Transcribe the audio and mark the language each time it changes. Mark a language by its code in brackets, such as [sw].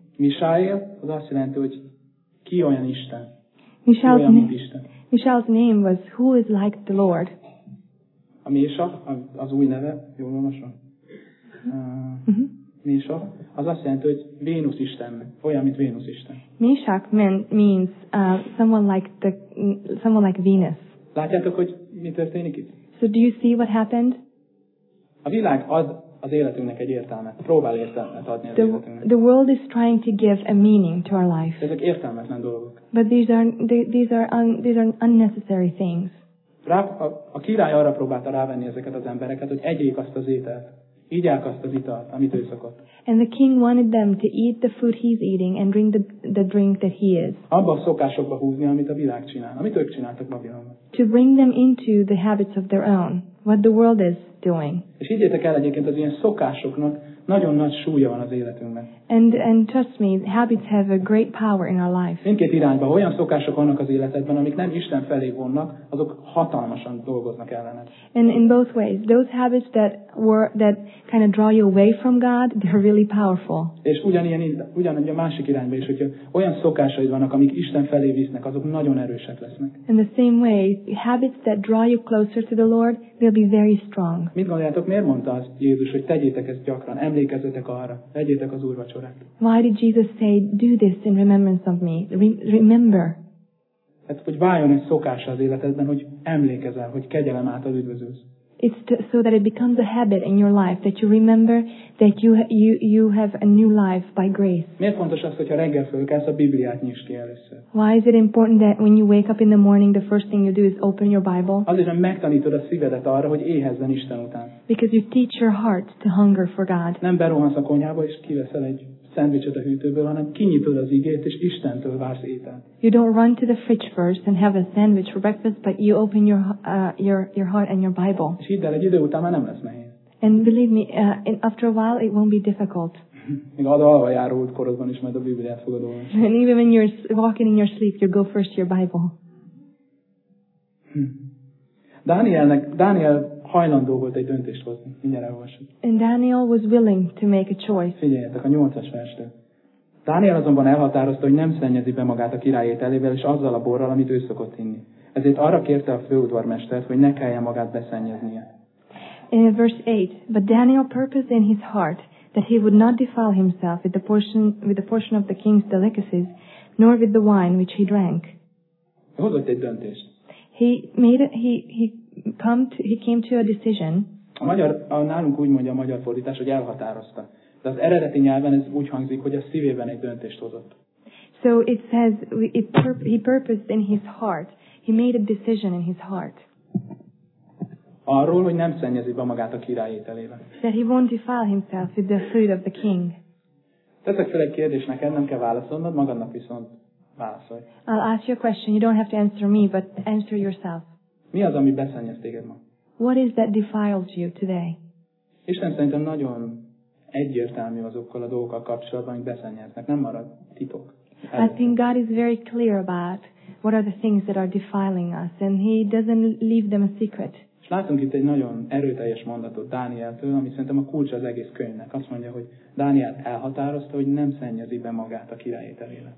[hu] Mishael, az azt jelenti, hogy ki olyan Isten. [en] Mishael's name was who is like the Lord. [hu] A Mésa, az új neve, jól olvasom? Mésa, az azt jelenti, hogy Vénusz Isten, olyan, mint Vénusz Isten. [en] Mésak means someone like Venus. [hu] Látjátok, hogy mi történik itt? [en] So do you see what happened? [hu] A világ ad az életünknek egy értelmet, próbál értelmet adni az életünknek. [en] The world is trying to give a meaning to our life. [hu] Ezek értelmetlen dolgok. [en] But these are unnecessary things. [hu] A király arra próbálta rávenni ezeket az embereket, hogy egyék azt az ételt, igyák azt az italt, amit ő szokott. [en] And the king wanted them to eat the food he's eating and drink the drink that he is. [hu] Abba a szokásokba húzni, amit a világ csinál, amit ők csináltak Babilonban. [en] To bring them into the habits of their own, what the world is doing. [hu] És higgyétek el, egyébként az ilyen szokásoknak nagyon nagy súlya van az életünkben. [en] And trust me, habits have a great power in our life. [hu] Mindkét irányban olyan szokások vannak az életedben, amik nem Isten felé vonnak, azok hatalmasan dolgoznak ellened. [en] And in both ways, those habits that kind of draw you away from God, they're really powerful. [hu] És ugyanúgy a másik irányban is, hogyha olyan szokásaid vannak, amik Isten felé visznek, azok nagyon erősek lesznek. [en] In the same way, habits that draw you closer to the Lord, they'll be very strong. [hu] Mit gondoljátok, miért mondta az Jézus, hogy tegyétek ezt gyakran, emlékezzetek arra, legyétek az Úr vacsorát? [en] Why did Jesus say, do this in remembrance of me? Remember. [hu] Hát, hogy váljon egy szokása az életedben, hogy emlékezel, hogy kegyelem által üdvözülsz. [en] It's so that it becomes a habit in your life that you remember that you have a new life by grace. [hu] Miért fontos az, hogyha reggel fölkelsz, a Bibliát nyisd ki először? [en] Why is it important that when you wake up in the morning, the first thing you do is open your Bible? [hu] Azért, hogy megtanítod a szívedet arra, hogy éhezzen Isten után. [en] Because you teach your heart to hunger for God. [hu] Nem berohansz a konyhába és kiveszel egy szendvicset a hűtőből, hanem kinyitod az igét és Istentől vársz ételt. [en] You don't run to the fridge first and have a sandwich for breakfast, but you open your heart and your Bible. [hu] És hidd el, egy idő után már nem lesz nehéz. [en] And believe me, after a while it won't be difficult. [hu] Még az alvajáró útkorodban is majd a Bibliát fogod olvasni. [en] And even when you're walking in your sleep, you go first to your Bible. [hu] Dánielnek hajlandó volt egy döntést hozni. Mindjárt elolvasom. [en] And Daniel was willing to make a choice. [hu] Figyeljetek a 8-as verstől. Dániel azonban elhatározta, hogy nem szennyezi be magát a király ételével és azzal a borral, amit ő szokott inni. Ezért arra kérte a főudvarmestert, hogy ne kelljen magát beszennyeznie. [en] In verse 8, but Daniel purposed in his heart that he would not defile himself with the portion of the king's delicacies, nor with the wine which he drank. [hu] Hozott egy döntést. [en] He came to a decision. [hu] Nálunk úgy mondja a magyar fordítás, hogy elhatározta. De az eredeti nyelven ez úgy hangzik, hogy a szívében egy döntést hozott. [en] So it says he purposed in his heart. He made a decision in his heart. [hu] Arról, hogy nem szennyezi be magát a király ételével. [en] That he won't defile himself with the food of the king. [hu] Teszek fel egy kérdést neked, nem kell válaszolnod, magadnak viszont válaszolj. [en] I'll ask you a question. You don't have to answer me, but answer yourself. [hu] Mi az, ami beszennyez téged ma? [en] What is that defiles you today? [hu] Isten szerintem nagyon egyértelmű azokkal a dolgokkal kapcsolatban, amik beszennyeznek. Nem marad titok. [en] I think God is very clear about what are the things that are defiling us, and he doesn't leave them a secret. [hu] És látunk itt egy nagyon erőteljes mondatot Dánieltől, ami szerintem a kulcsa az egész könyvnek. Azt mondja, hogy Dániel elhatározta, hogy nem szennyezi be magát a király ételével.